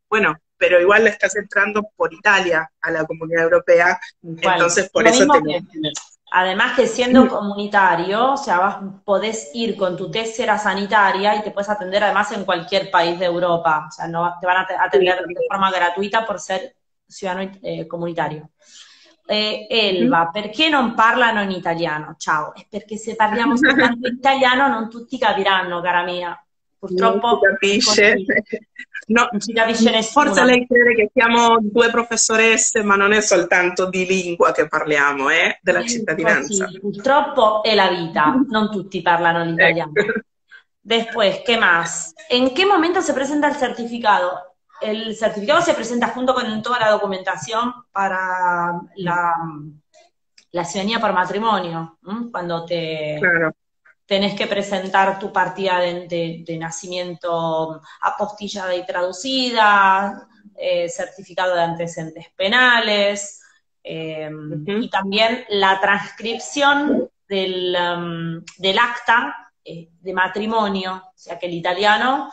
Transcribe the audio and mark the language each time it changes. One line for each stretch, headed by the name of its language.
Spanish: Bueno, pero igual le estás entrando por Italia a la comunidad europea, bueno, entonces por lo eso mismo te que, además que siendo comunitario, o sea, podés ir con tu tésera sanitaria y te puedes atender además en cualquier país de Europa. O sea, no te van a atender de forma gratuita por ser ciudadano comunitario.
Italian: Elva, perché non parlano in italiano? Ciao, è perché se parliamo soltanto in italiano non tutti capiranno, cara mia. Purtroppo non si capisce. No, non si capisce nessuno. Forse lei crede che siamo due professoresse, ma non è soltanto di lingua che parliamo, della cittadinanza. Così, purtroppo è la vita, non tutti parlano l'italiano. Ecco.
Spanish: Después, che más?
Italian: In che momento si presenta il certificato?
Spanish: El certificado se presenta junto con toda la documentación para la ciudadanía por matrimonio, cuando tenés que presentar tu partida de nacimiento apostillada y traducida, certificado de antecedentes penales, y también la transcripción del acta de matrimonio, o sea que el italiano,